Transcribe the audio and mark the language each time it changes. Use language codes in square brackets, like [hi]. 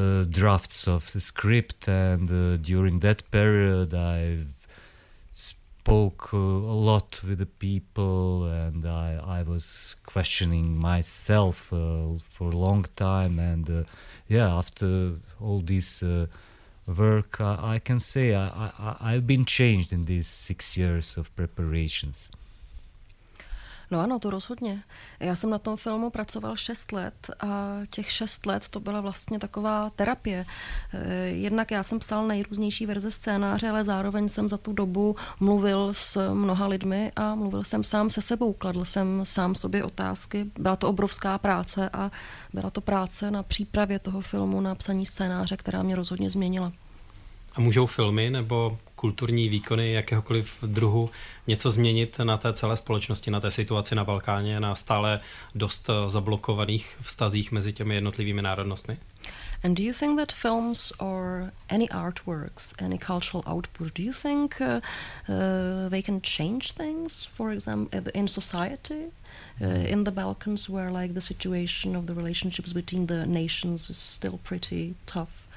[en] drafts of the script, and during that period I spoke a lot with the people, and I was questioning myself for a long time, and after all this work I can say I've been changed in these 6 years of preparations. [cs] No ano, to rozhodně. Já jsem na tom filmu pracoval 6 let a těch 6 let to byla vlastně taková terapie. Jednak já jsem psal nejrůznější verze scénáře, ale zároveň jsem za tu dobu mluvil s mnoha lidmi a mluvil jsem sám se sebou, kladl jsem sám sobě otázky. Byla to obrovská práce a byla to práce na přípravě toho filmu, na psaní scénáře, která mě rozhodně změnila. A můžou filmy nebo kulturní výkony jakéhokoliv druhu něco změnit na té celé společnosti, na té situaci na Balkáně, na stále dost zablokovaných vztazích mezi těmi jednotlivými národnostmi? [en] And do you think that films or any artworks, any cultural output, do you think they can change things, for example, in society, in the Balkans, where like the situation of the relationships between the nations is still pretty tough?